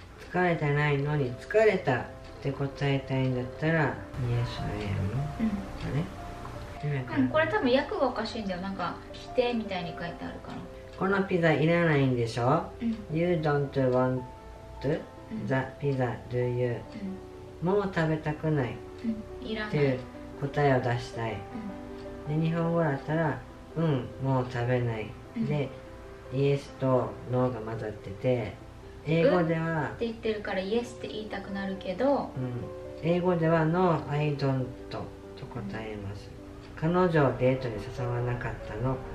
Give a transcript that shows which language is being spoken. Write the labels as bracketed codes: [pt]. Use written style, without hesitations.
[ja] 疲れてないのに疲れたって答えたいんだったら [en] Yes, I am. [ja] うん。あれ？うん、これ多分訳がおかしいんだよ。なんか否定みたいに書いてあるから。このピザいらないんでしょ、うん、 [en] You don't want the pizza, do you?、 [ja] うん、もう食べたくない、うん、いらないっていう答えを出したい、うん、で日本語だったらうん、もう食べない、うん、で、Yes と No が混ざってて、英語ではうって言ってるから Yes って言いたくなるけど、うん、英語では [en] No, I don't [ja] と答えます、うん、彼女をデートに誘わなかったの。